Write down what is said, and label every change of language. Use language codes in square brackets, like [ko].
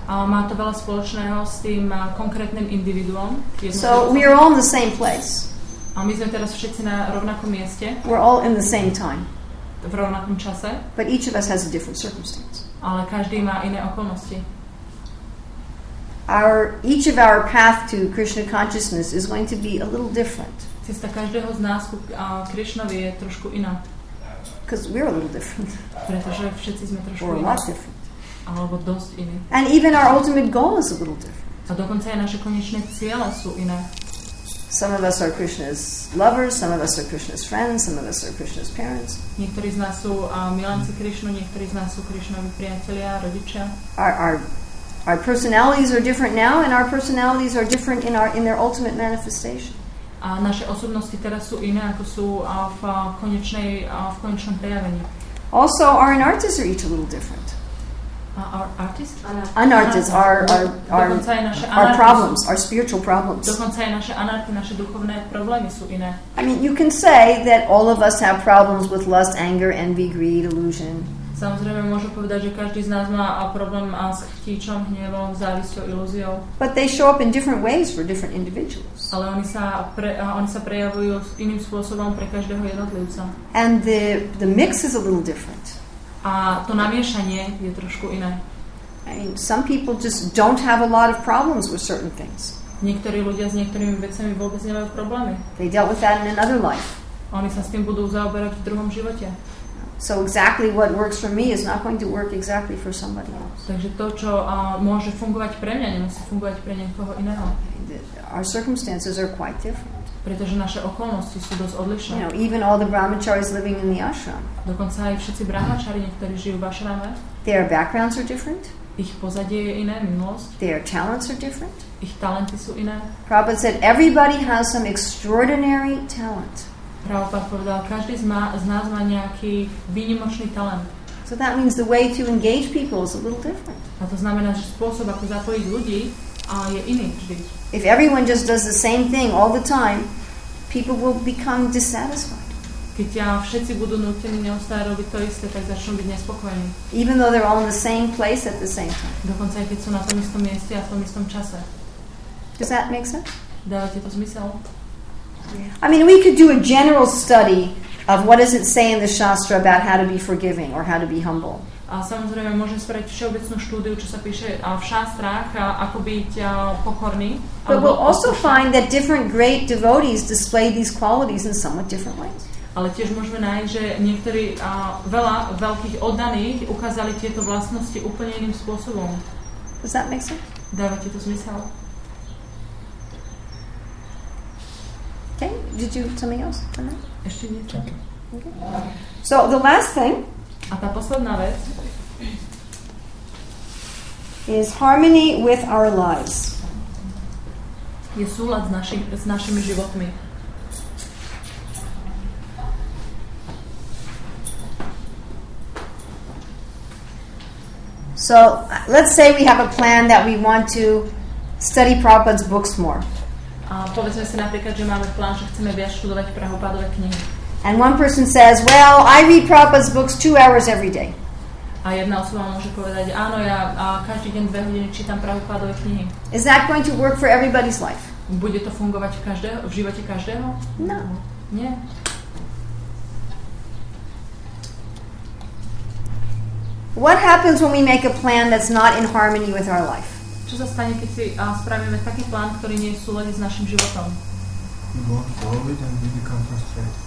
[sk] Má to veľa spoločného s tým konkrétnym individuom. [en] So we are all in the same place. [sk] A my sme teraz všetci na rovnakom mieste. [en] We're all in the same time. [sk] V rovnakom čase. [en] But each of us has a different circumstance. [sk] Ale každý má iné okolnosti. [en] Each of our path to Krishna consciousness is going to be a little different. [sk] Cesta každého z nás k Krišnovi je trošku iná. [en] Because we're a little different. [sk] Pretože všetci sme trošku iní. [en] We're a lot different. [sk] Alebo dosť iní. [en] And even our ultimate goal is a little different. [sk] A dokonca aj naše konečné ciele sú iné. [en] Some of us are Krishna's lovers, some of us are Krishna's friends, some of us are Krishna's parents. [sk] Niektorí z nás sú milenci Krišnu, niektorí z nás sú Krišnovi priatelia, rodičia. [en] Our personalities are different now and our personalities are different in their ultimate manifestation. [sk] A naše osobnosti teraz sú iné, ako sú v konečnom prejavení. [en] Also, our artists are each a little different. Our artists? Anartists. Our problems, our spiritual problems. [sk] Dokonca aj naše anarty, naše duchovné problémy sú iné. [en] I mean, you can say that all of us have problems with lust, anger, envy, greed, illusion. [sk] Samozrejme, môžu povedať, že každý z nás má problém s chtíčom, hnevom, závisťou, ilúziou. [en] But they show up in different ways for different individuals. [sk] Ale oni sa prejavujú iným spôsobom pre každého jednotlivca. [en] And the mix is a little different. [sk] A to namiešanie je trošku iné. [en] I mean, some people just don't have a lot of problems with certain things. [sk] Niektorí ľudia s niektorými vecami vôbec nemajú problémy. [en] They dealt with that in another life. [sk] Oni sa s tým budú zaoberať v druhom živote. [en] So exactly what works for me is not going to work exactly for somebody else. [sk] Takže to, čo môže fungovať pre mňa, nemusí fungovať pre niekoho iného. [en] Our circumstances are quite different. [sk] Pretože naše okolnosti sú dosť odlišné. [en] You know, even all the brahmacharis living in the ashram. [sk] Dokonca aj všetci brahmachari, niektorí žijú v ashrame. [en] Their backgrounds are different. [sk] Ich pozadie je iné, minulosť. [en] Their talents are different. [sk] Ich talenty sú iné. [en] Prabhupada said everybody has some extraordinary talent. [sk] Prabhupada povedal, každý z nás má nejaký výnimočný talent. [en] So that means the way to engage people is a little different. [sk] A to znamená, že spôsob, ako zapojiť ľudí, je iný vždy. [en] If everyone just does the same thing all the time, people will become dissatisfied. [sk] Keď všetci budú nútení neustále robiť to isté, tak začnú byť nespokojení. [en] Even though they're all in the same place at the same time. [sk] Dokonca aj keď sú na tom istom mieste a v tom istom čase. [en] Does that make sense? [sk] Dáva ti to zmysel? [en] I mean, we could do a general study of what does it say in the Shastra about how to be forgiving or how to be humble. [sk] A samozrejme, môžem spraviť všeobecnú štúdiu, čo sa píše v šastrách, ako byť pokorný. [en] But we'll also find that different great devotees display these qualities in somewhat different ways. [sk] Ale tiež môžeme nájsť, že niektorí veľa veľkých oddaných ukázali tieto vlastnosti úplne iným spôsobom. [en] Does that make sense? [sk] Dáva ti to zmysel? [en] Okay. Did you something else? [sk] Ešte niečo. [en] Okay. So the last thing. [sk] A tá posledná vec. [en] Is harmony with our lives. [sk] Je súlad s našimi životmi. [en] So let's say we have a plan that we want to study Prabhupada's books more. [sk] Povedzme si napríklad, že máme plán, že chceme viac študovať Prabhupádové knihy. [en] And one person says, well, I read Prabhupada's books 2 hours every day. [sk] A jedna osoba môže povedať, áno, ja každý deň 2 hodiny čítam Prabhupádové knihy. [en] Is that going to work for everybody's life? [sk] Bude to fungovať v živote každého? [en] No. [sk] Nie. [en] What happens when we make a plan that's not in harmony with our life? [sk] Čo sa stane, keď si spravíme taký plán, ktorý nie je v súlade s našim životom? [en] We won't follow it and we become frustrated.